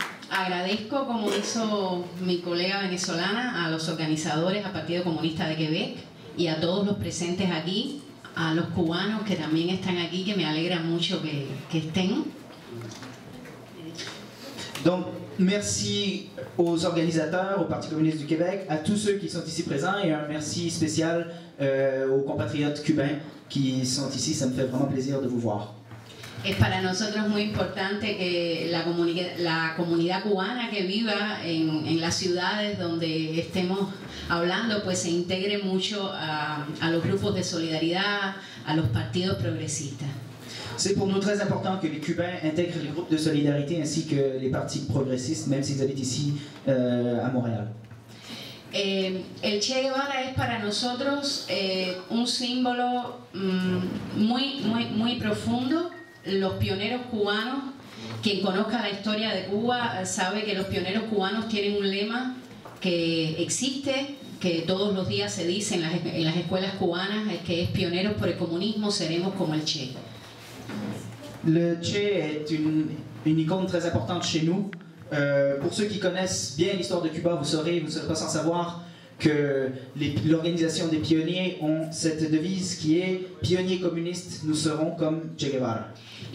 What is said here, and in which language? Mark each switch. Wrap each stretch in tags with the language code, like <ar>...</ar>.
<es>agradezco, como hizo mi colega venezolana, a los organizadores, al Partido Comunista de Quebec y a todos los presentes aquí, a los cubanos que también están aquí, que me alegra mucho que estén.</es> <fr>Donc, merci aux organisateurs, au Parti communiste du Québec, à tous ceux qui sont ici présents, et un merci spécial aux compatriotes cubains qui sont ici. Ça me fait vraiment plaisir de vous voir.</fr> <es>Es para nosotros muy importante que la comunidad cubana que viva en las ciudades donde estemos hablando, pues se integre mucho a los grupos de solidaridad, a los partidos progresistas.</es> <fr>C'est pour nous très important que les Cubains intègrent les groupes de solidarité ainsi que les partis progressistes, même s'ils habitent ici à Montréal.</fr> <es>El Che Guevara es para nosotros un símbolo muy profundo. Los pioneros cubanos, quien conozca la historia de Cuba sabe que los pioneros cubanos tienen un lema que existe, que todos los días se dice en las escuelas cubanas, es que es pioneros por el comunismo, seremos como el Che.</es> <fr>Le Che est une icône très importante chez nous. Pour ceux qui connaissent bien l'histoire de Cuba, vous ne serez pas sans savoir que l'organisation des pionniers ont cette devise qui est « Pionniers communistes, nous serons comme Che Guevara ».</fr>